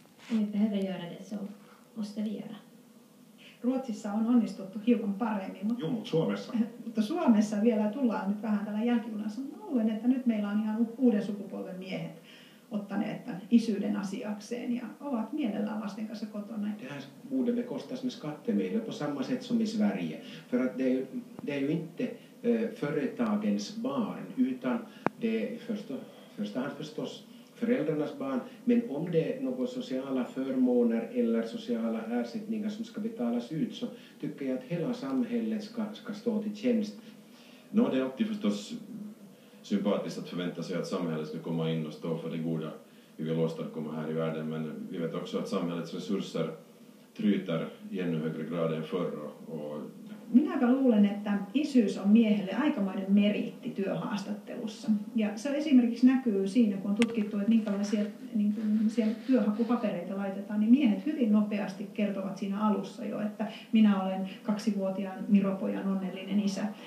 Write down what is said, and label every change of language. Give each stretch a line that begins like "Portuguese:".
Swedish: Om vi behöver göra det så måste vi göra.
Finnish: Ruotsissa on onnistuttu hiukan paremmin. Mutta Suomessa. Mutta Suomessa vielä tullaan nyt vähän tällä jälkijunassa. Mä luulen, että nyt meillä on ihan uuden sukupolven miehet ottaneet tämän isyyden asiakseen ja ovat mielellään lasten kanssa kotona. Tähän uuden me kostas myös kattemiin, jopa samma setsomisvärje.
Swedish: För att det är ju inte företagens barn, utan det är förstahan förstås föräldrarnas barn, men om det är några sociala förmåner eller sociala ersättningar som ska betalas ut, så tycker jag att hela samhället ska stå till tjänst. Nå, det är alltid förstås sympatiskt att förvänta sig att samhället ska komma in och stå för det goda vi vill åstadkomma här i världen, men vi vet också att samhällets resurser tryter i ännu högre grad än förr.
Finnish: Minäpä luulen, että isyys on miehelle aikamoinen meriitti työhaastattelussa. Ja se esimerkiksi näkyy siinä, kun on tutkittu, että minkälaisia niin kuin työhakupapereita laitetaan, niin miehet hyvin nopeasti kertovat siinä alussa jo, että minä olen 2-vuotiaan Miropojan onnellinen isä.